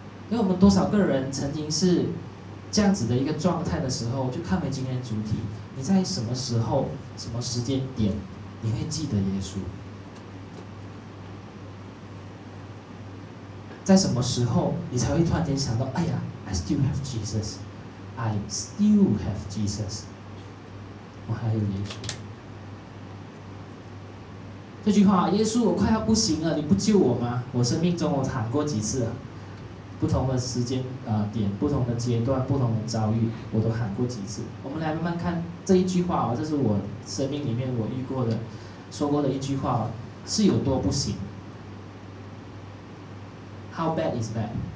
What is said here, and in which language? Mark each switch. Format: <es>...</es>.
<zh>因为我们多少个人曾经是这样子的一个状态的时候，就看回今天的主题，你在什么时候、什么时间点，你会记得耶稣？在什么时候，你才会突然间想到，哎呀 ，</zh> <en>I still have Jesus。 I still have Jesus，</en> <zh>我还有耶稣。这句话，耶稣，我快要不行了，你不救我吗？我生命中我喊过几次啊？不同的时间点，不同的阶段，不同的遭遇，我都喊过几次。我们来慢慢看这一句话啊，这是我生命里面我遇过的、说过的一句话，是有多不行 ？</zh> <en>How bad is bad？</en>